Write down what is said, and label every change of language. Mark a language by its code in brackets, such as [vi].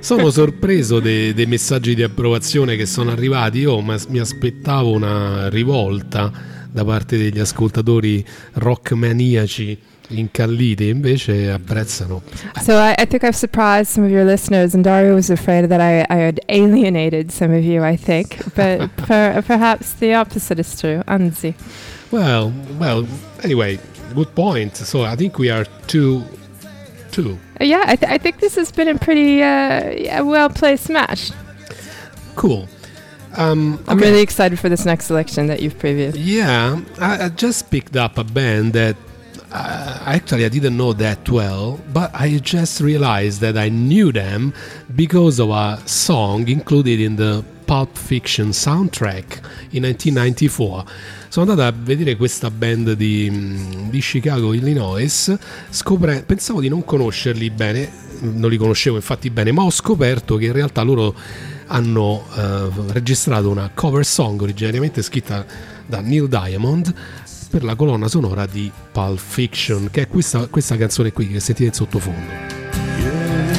[it] Sono sorpreso dei messaggi di approvazione che sono arrivati. Io mi aspettavo una rivolta da parte degli ascoltatori rock maniaci incalliti, invece apprezzano. [en] So I think I've surprised some of your listeners, and Dario was afraid that I had alienated some of you, I think, but perhaps the opposite is true, anzi. Well, anyway, good point. So I think we are two. Yeah, I think this has been a pretty well-placed match. Cool. Okay. I'm really excited for this next selection that you've previewed. Yeah, I just picked up a band that actually, I didn't know that well, but I just realized that I knew them because of a song included in the Pulp Fiction soundtrack in 1994. [it] Sono andato a vedere questa band di Chicago, Illinois, pensavo di non conoscerli bene, non li conoscevo infatti bene, ma ho scoperto che in realtà loro hanno registrato una cover song originariamente scritta da Neil Diamond per la colonna sonora di Pulp Fiction, che è questa canzone qui che sentite in sottofondo.